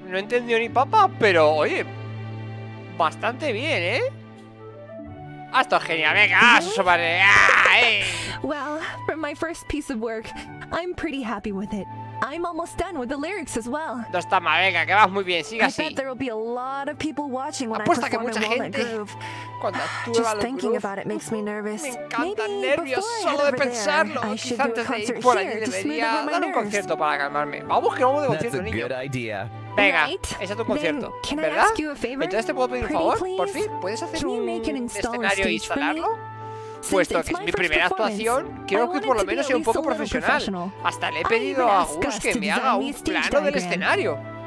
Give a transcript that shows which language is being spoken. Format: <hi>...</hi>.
<es>no he entendido ni papa, pero oye, bastante bien, esto es genial, venga, súbale,</es> <en>Well, for my first piece of work, I'm pretty happy with it. I'm almost done with the lyrics as well.</en> <es>No está mal, venga, que vas muy bien, sigue así.</es> <en>I bet there will be a lot of people watching when I perform in Walnut Grove. Just thinking about it makes me nervous. Maybe before I head over there, I should do a concert here to smooth over my nerves.</en> <es>Vamos que vamos de concierto, niño. Venga, es a tu concierto, ¿verdad? Entonces te puedo pedir un favor, por fin, ¿puedes hacer un escenario e instalarlo? Puesto que es mi primera actuación, quiero que por lo menos sea un poco profesional. Hasta le he pedido a Gus que me haga un plano del escenario.</es>